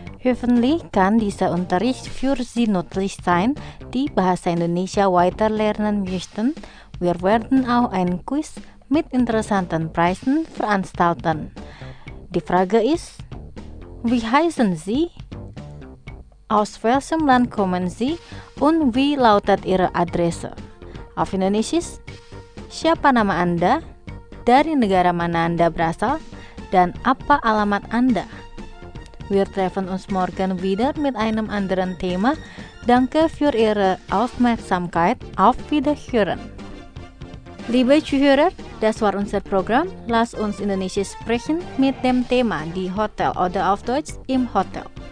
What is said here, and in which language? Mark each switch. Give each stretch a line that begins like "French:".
German: Hoffentlich kann dieser Unterricht für Sie nützlich sein, die Bahasa Indonesia weiterlernen möchten. Wir werden auch ein Quiz mit interessanten Preisen veranstalten. Die Frage ist, wie heißen Sie? Aus welchem Land kommen Sie? Und wie lautet Ihre Adresse? Auf Indonesisch,
Indonesian: siapa nama Anda, dari negara mana Anda berasal, dan apa alamat Anda?
German: Wir treffen uns morgen wieder mit einem anderen Thema. Danke für Ihre Aufmerksamkeit. Auf Wiederhören. Liebe Zuhörer, das war unser Programm. Lass uns Indonesisch sprechen mit dem Thema die Hotel oder auf Deutsch im Hotel.